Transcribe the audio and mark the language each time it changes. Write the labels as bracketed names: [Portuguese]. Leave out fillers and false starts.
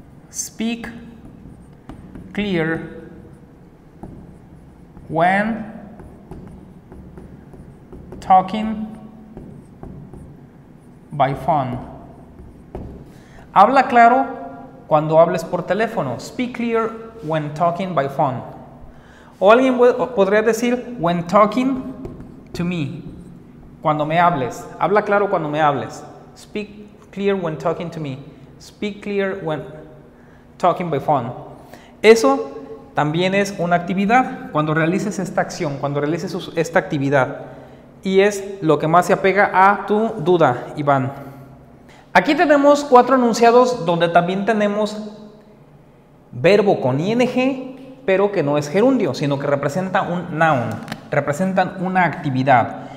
[English] Speak clear when talking by phone. [Spanish] Habla claro cuando hables por teléfono. [English] Speak clear when talking by phone. [Spanish] O alguien podría decir, [English] when talking to me, [Spanish] cuando me hables. Habla claro cuando me hables. [English] Speak clear when talking to me. Speak clear when talking by phone. [Spanish] Eso también es una actividad cuando realices esta acción, cuando realices esta actividad. Y es lo que más se apega a tu duda, Iván. Aquí tenemos cuatro enunciados donde también tenemos verbo con ing, pero que no es gerundio, sino que representa un noun, representan una actividad.